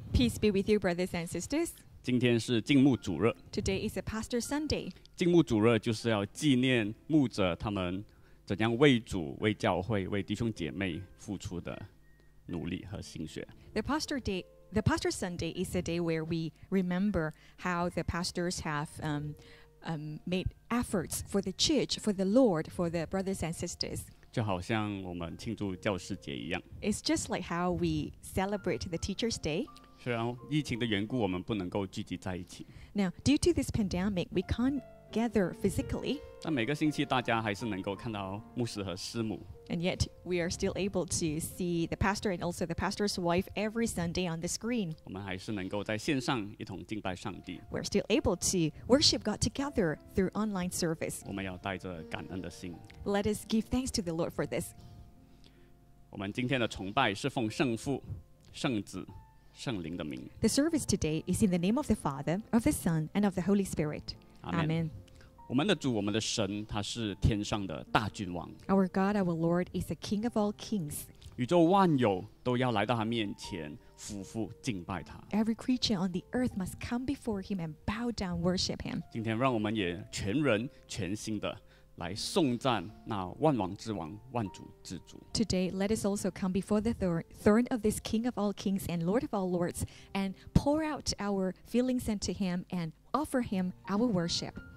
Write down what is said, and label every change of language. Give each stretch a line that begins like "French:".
English: Peace be with you, brothers and sisters.
Chinese: 今天是敬牧主日。
English: Today is a Pastor Sunday.
Chinese: 敬牧主日就是要纪念牧者他们怎样为主、为教会、为弟兄姐妹付出的努力和心血。
English: The Pastor Sunday is a day where we remember how the pastors have made efforts for the church, for the Lord, for the brothers and sisters.
Chinese: 就好像我们庆祝教师节一样。
English: It's just like how we celebrate the Teacher's Day.
Chinese: 虽然疫情的缘故，我们不能够聚集在一起。
English: Now, due to this pandemic, we can't gather physically.
Chinese: 但每个星期大家还是能够看到牧师和师母。
English: And yet, we are still able to see the pastor and also the pastor's wife every Sunday on the screen.
Chinese: 我们还是能够在线上一同敬拜上帝。
English: We're still able to worship God together through online service.
Chinese: 我们要带着感恩的心。
English: Let us give thanks to the Lord for this.
Chinese: 我们今天的崇拜是奉圣父、圣子、圣灵的名。
English: The service today is in the name of the Father, of the Son, and of the Holy Spirit. Amen.
Chinese: 我们的主，我们的神，他是天上的大君王。
English: Our God, our Lord, is the King of all kings.
Chinese: 宇宙万有都要来到他面前俯伏敬拜他。
English: Every creature on the earth must come before him and bow down, worship him.
Chinese: 今天让我们也全人全心的来颂赞那万王之王、万主之主。
English: Today, let us also come before the throne of this King of all kings and Lord of all lords and pour out our feelings unto him and offer him our worship.